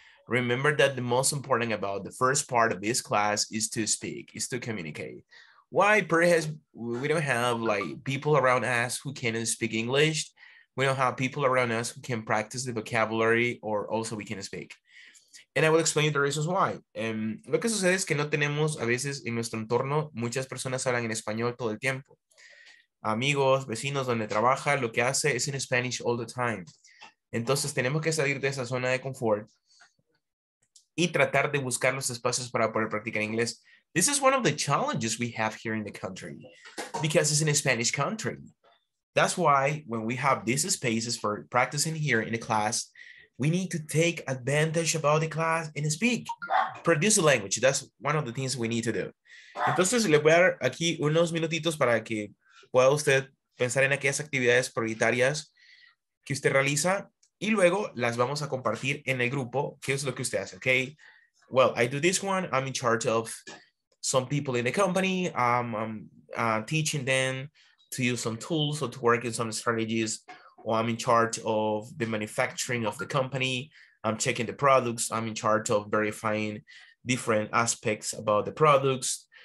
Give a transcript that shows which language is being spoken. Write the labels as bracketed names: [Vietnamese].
[English] Remember that the most important about the first part of this class is to speak, is to communicate. Why? Perhaps we don't have like people around us who can speak English. We don't have people around us who can practice the vocabulary or also we can speak. And I will explain the reasons why. [Spanish] Lo que sucede es que no tenemos a veces en nuestro entorno, muchas personas hablan en español todo el tiempo. amigos, vecinos, donde trabaja, lo que hace es [English] in Spanish all the time. [Spanish] Entonces tenemos que salir de esa zona de confort y tratar de buscar los espacios para poder practicar inglés. [English] This is one of the challenges we have here in the country because it's in a Spanish country. That's why when we have these spaces for practicing here in the class, we need to take advantage of the class and speak, produce a language. That's one of the things we need to do. [Spanish] Entonces, le voy a dar aquí unos minutitos para que pueda usted pensar en aquellas actividades prioritarias que usted realiza y luego las vamos a compartir en el grupo. ¿Qué es lo que usted hace? [English] Okay. Well, I do this one. I'm in charge of some people in the company. I'm teaching them to use some tools or to work in some strategies. Or I'm in charge of the manufacturing of the company. I'm checking the products. I'm in charge of verifying different aspects about the products.